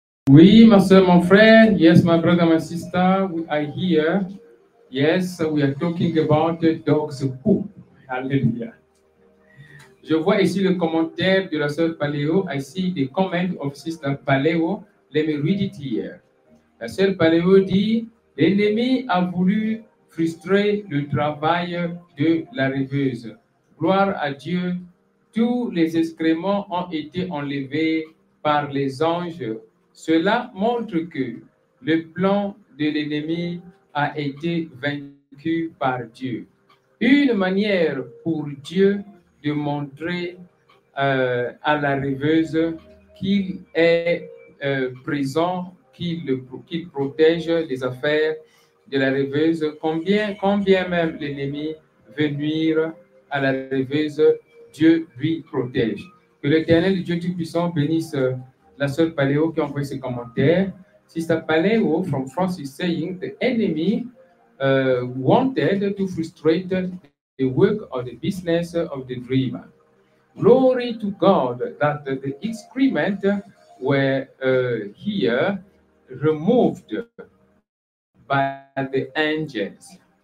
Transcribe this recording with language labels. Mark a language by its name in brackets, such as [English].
[French] Oui, ma soeur, mon frère. [English] Yes, my brother, my sister. We are here. Yes, we are talking about the dog's poop. Hallelujah. [French] Je vois ici le commentaire de la sœur Paléo. [English] I see the comment of sister Paléo. Let me read it here. [French] La sœur Paléo dit, l'ennemi a voulu frustrer le travail de la rêveuse. Gloire à Dieu, tous les excréments ont été enlevés par les anges. Cela montre que le plan de l'ennemi a été vaincu par Dieu. Une manière pour Dieu de montrer à la rêveuse qu'il est présent, qu'il protège les affaires de la rêveuse, combien même l'ennemi veut nuire à la rêveuse, Dieu lui protège. Que l'Éternel Dieu Tout-Puissant bénisse la sœur Paléo qui a envoyé ses commentaires. [English] Sister Paléo from France is saying the enemy wanted to frustrate the work or the business of the dreamer. Glory to God that the excrement were here removed by the angels.